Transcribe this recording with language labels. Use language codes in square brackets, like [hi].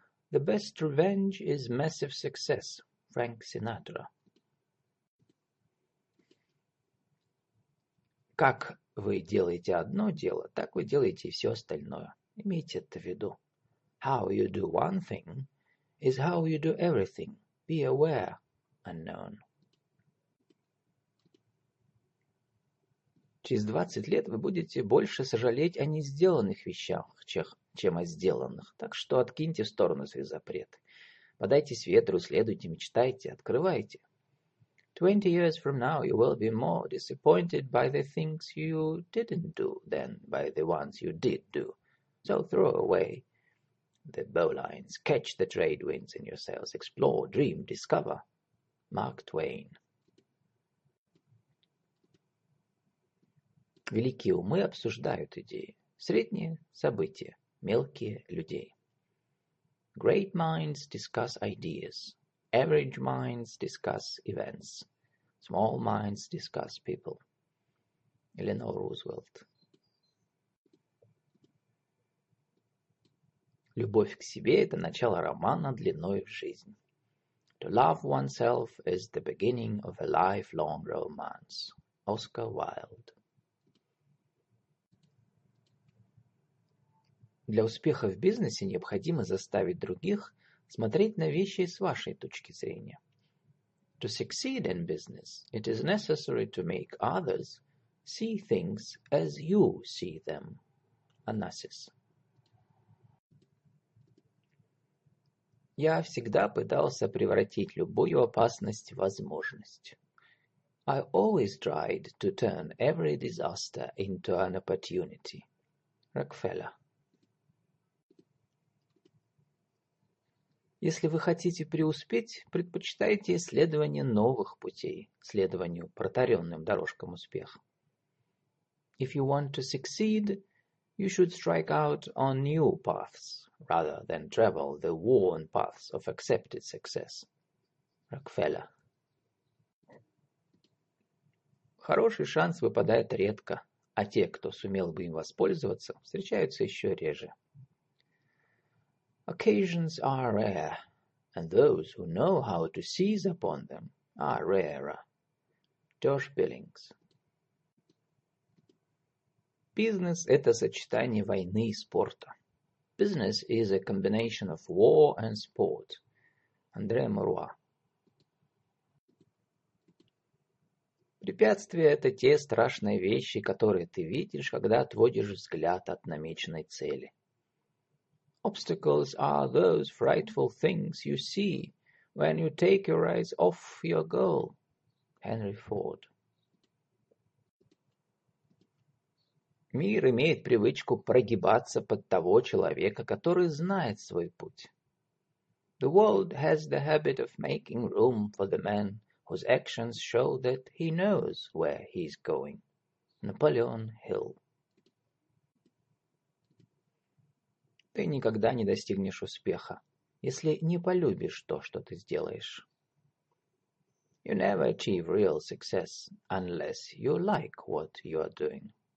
[en] The best revenge is massive success. Frank Sinatra. [ru] Как вы делаете одно дело, так вы делаете и все остальное. Имейте это в виду. [en] How you do one thing is how you do everything. Be aware. Unknown. [ru] Через 20 лет вы будете больше сожалеть о не сделанных вещах, чем о сделанных. Так что откиньте в сторону свой запрет. Подайтесь ветру, следуйте, мечтайте, открывайте. [en] 20 years from now you will be more disappointed by the things you didn't do than by the ones you did do. So throw away the bowlines, catch the trade winds in your sails, explore, dream, discover. Mark Twain. [ru] Великие умы обсуждают идеи, средние – события, мелкие – людей. [en] Great minds discuss ideas. Average minds discuss events. Small minds discuss people. Eleanor Roosevelt. [ru] Любовь к себе – это начало романа длиной в жизнь. [en] To love oneself is the beginning of a lifelong romance. Oscar Wilde. [ru] Для успеха в бизнесе необходимо заставить других смотреть на вещи с вашей точки зрения. [en] To succeed in business, it is necessary to make others see things as you see them. [ru] Анасис. Я всегда пытался превратить любую опасность в возможность. [en] I always tried to turn every disaster into an opportunity. [ru] Рокфеллер. Если вы хотите преуспеть, предпочитайте исследование новых путей, следованию протаренным дорожкам успеха. [en] If you want to succeed, you should strike out on new paths, rather than travel the worn paths of accepted success. [ru] Рокфеллер. Хороший шанс выпадает редко, а те, кто сумел бы им воспользоваться, встречаются еще реже. [en] Occasions are rare, and those who know how to seize upon them are rarer. Josh Billings. [ru] Business – это сочетание войны и спорта. [en] Business is a combination of war and sport. [ru] Андре Моруа. Препятствия — это те страшные вещи, которые ты видишь, когда отводишь взгляд от намеченной цели. [en] Obstacles are those frightful things you see when you take your eyes off your goal. Henry Ford. [ru] Мир имеет привычку прогибаться под того человека, который знает свой путь. [en] The world has the habit of making room for the man whose actions show that he knows where he is going. Napoleon Hill. [ru] Ты никогда не достигнешь успеха, если не полюбишь то, что ты сделаешь. [en] You never achieve real success unless you like what you are doing.